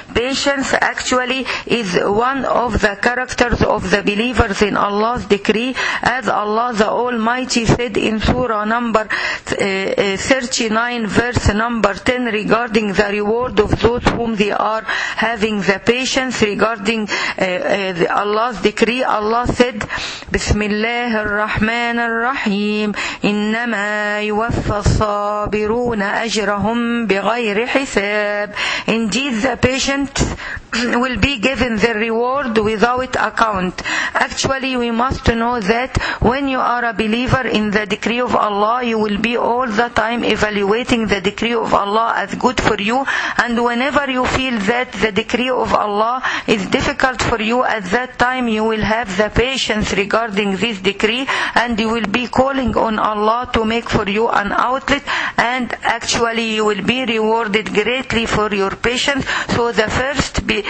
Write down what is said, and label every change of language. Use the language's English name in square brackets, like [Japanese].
[English] Patience actually is one of the characters of the believers in Allah's decree, as Allah the Almighty said in Surah number 39, verse number 10, regarding the reward of those whom they are having the patience regarding Allah's decree. Allah said, [Arabic] Bismillah ar-Rahman ar-Rahim, إِنَّمَا يُوَفَّى الصَّابِرُونَ أَجْرَهُمْ بِغَيْرِ حِسَابٍ. [English] Indeed, the patient will be given the reward without account. Actually, we must know that when you are a believer in the decree of Allah, you will be all the time evaluating the decree of Allah as good for you. And whenever you feel that the decree of Allah is difficult for you, at that time you will have the patience regarding this decree, and you will be calling on Allah to make for you an outlet, and actually you will be rewarded greatly for your patience. So the first